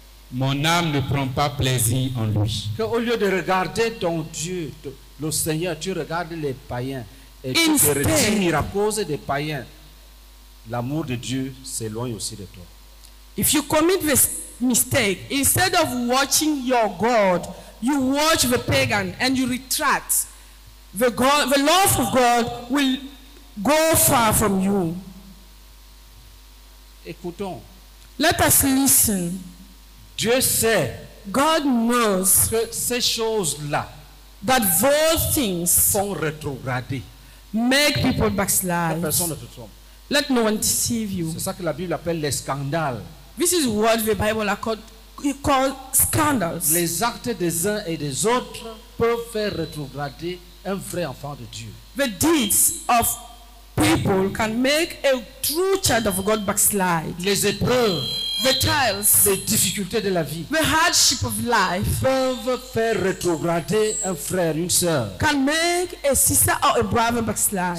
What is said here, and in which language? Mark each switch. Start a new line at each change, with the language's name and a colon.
French: mon âme ne prend pas plaisir en lui. Que au lieu de regarder ton Dieu, le Seigneur, tu regardes les païens. Et tu te retires à cause des païens, l'amour de Dieu s'éloigne aussi de toi.
English: If you commit this mistake, instead of watching your God, you watch the pagan and you retract, the God, the love of God will go far from you.
French: Écoutons.
English: Let us listen.
French: Dieu sait.
English: God knows
French: que ces choses-là,
English: that those things,
French: sont rétrogradées.
English: Make people backslide.
French: Personne ne te trompe.
English: Let no one deceive you.
French: C'est ça que la Bible appelle les scandales.
English: This is what the Bible calls scandals.
French: Les actes des uns et des autres peuvent faire rétrograder un vrai enfant de Dieu.
English: The deeds of people can make a true child of God backslide.
French: Les épreuves,
English: the trials,
French: les difficultés de la vie,
English: the hardship of life,
French: peuvent faire rétrograder un frère, une sœur,
English: can make a sister or a brother backslide.